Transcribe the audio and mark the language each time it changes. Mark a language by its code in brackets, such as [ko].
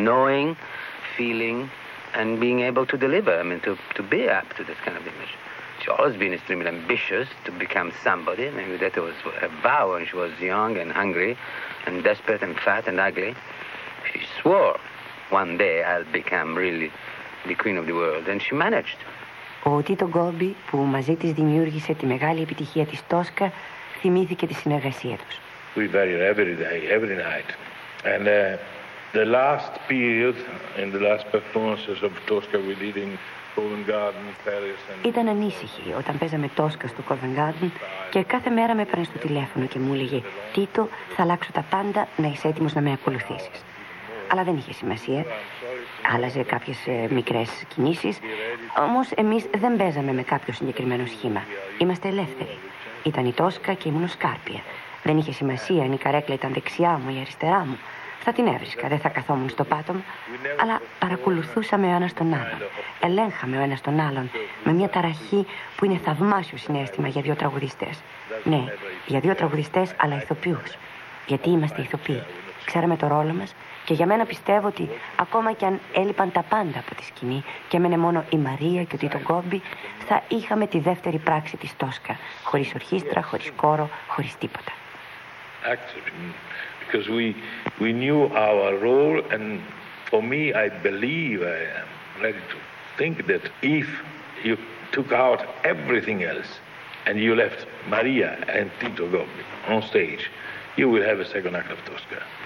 [en] And being able to deliver, I mean, to be up to this kind of image. She's always been extremely ambitious to become somebody. I mean, that was a vow when she was young and hungry and desperate and fat and ugly. She swore, one day I'll become really the queen of the world. And she managed. [el] Ο Τίτο Γκόμπι, που μαζί της δημιούργησε τη μεγάλη επιτυχία της Τόσκα, θυμήθηκε τη συνεργασία τους. [en] We vary every day, every night. And the last period in the last performances of Tosca we did in Covent Garden, Paris... And... [el] Ήταν ανήσυχη όταν παίζαμε Τόσκα στο Covent Garden και κάθε μέρα με έπαιρνε στο τηλέφωνο και μου έλεγε «Τίτο, θα αλλάξω τα πάντα να είσαι έτοιμος να με ακολουθήσεις». Αλλά δεν είχε σημασία. Άλλαζε κάποιες μικρές κινήσεις. Όμως εμείς δεν παίζαμε με κάποιο συγκεκριμένο σχήμα. Είμαστε ελεύθεροι. Ήταν η Τόσκα και ήμουν ο Σκάρπια. Δεν είχε σημασία αν η καρέκλα ήταν δεξιά μου ή αριστερά μου. Θα την έβρισκα, δεν θα καθόμουν στο πάτωμα. Αλλά παρακολουθούσαμε ο ένας τον άλλον. Ελέγχαμε ο ένας τον άλλον με μια ταραχή που είναι θαυμάσιο συνέστημα για δύο τραγουδιστές. Ναι, για δύο τραγουδιστές, αλλά ηθοποιούς. Γιατί είμαστε ηθοποιοί. Ξέραμε το ρόλο μας και για μένα πιστεύω ότι ακόμα κι αν έλειπαν τα πάντα από τη σκηνή και έμενε μόνο η Μαρία και ο Τίτο Γκόμπι, θα είχαμε τη δεύτερη πράξη της Τόσκα. Χωρίς ορχήστρα, χωρίς κόρο, χωρίς τίποτα. [en] Because we knew our role, and for me, I believe, I am ready to think that if you took out everything else and you left Maria and Tito Gobbi on stage, you will have a second act of Tosca.